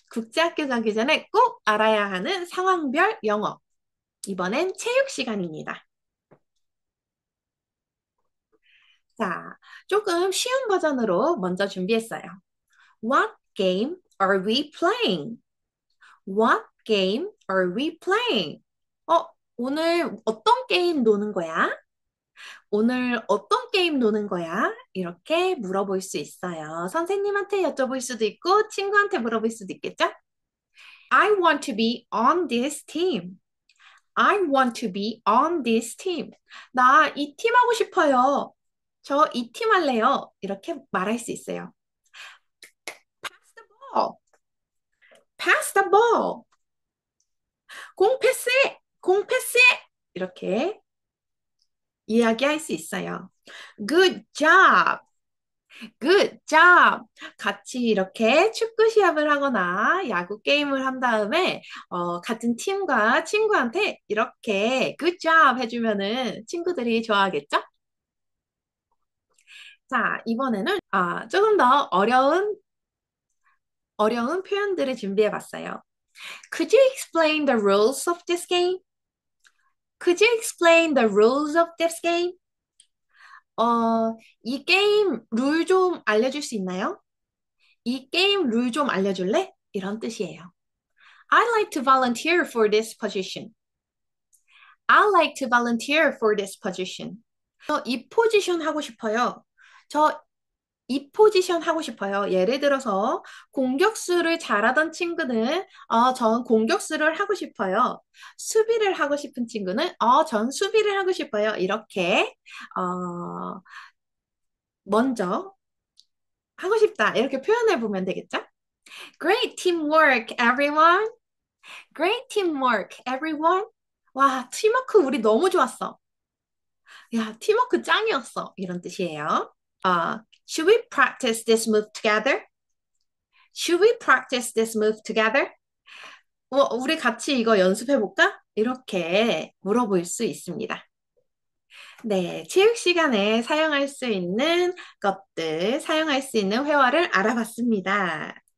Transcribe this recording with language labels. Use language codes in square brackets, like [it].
[ko] 국제학교 가기 전에 꼭 알아야 하는 상황별 영어. 이번엔 체육 시간입니다. 자, 조금 쉬운 버전으로 먼저 준비했어요. [en] What game are we playing? What game are we playing? [ko] 오늘 어떤 게임 노는 거야? 오늘 어떤 게임 노는 거야? 이렇게 물어볼 수 있어요. 선생님한테 여쭤볼 수도 있고, 친구한테 물어볼 수도 있겠죠? [en] I want to be on this team. I want to be on this team. [ko] 나이팀 하고 싶어요. 저이팀 할래요. 이렇게 말할 수 있어요. [en] Pass the ball. [ko] 공 패스해. 공 패스해. 이렇게 이야기할 수 있어요. [en] Good job. Good job. [ko] 같이 이렇게 축구 시합을 하거나 야구 게임을 한 다음에 같은 팀과 친구한테 이렇게 [en] Good job [ko] 해주면은 친구들이 좋아하겠죠? 자, 이번에는 조금 더 어려운 표현들을 준비해 봤어요. [en] Could you explain the rules of this game? Could you explain the rules of this game? [ko] 이 게임 룰좀 알려줄 수 있나요? 이 게임 룰좀 알려줄래? 이런 뜻이에요. [en] I'd like to volunteer for this position. I'd like to volunteer for this position. [ko] 저이 포지션 하고 싶어요. 저이 포지션 하고 싶어요. 예를 들어서 공격수를 잘하던 친구는 전 공격수를 하고 싶어요. 수비를 하고 싶은 친구는 전 수비를 하고 싶어요. 이렇게 먼저 하고 싶다. 이렇게 표현해 보면 되겠죠? [en] Great teamwork, everyone. Great teamwork, everyone. [ko] 와, 팀워크 우리 너무 좋았어. 야, 팀워크 짱이었어. 이런 뜻이에요. [en] Should we practice this move together? Should we practice this move together? [ko] 우리 같이 이거 연습해볼까? 이렇게 물어볼 수 있습니다. 네, 체육 시간에 사용할 수 있는 것들, 사용할 수 있는 회화를 알아봤습니다.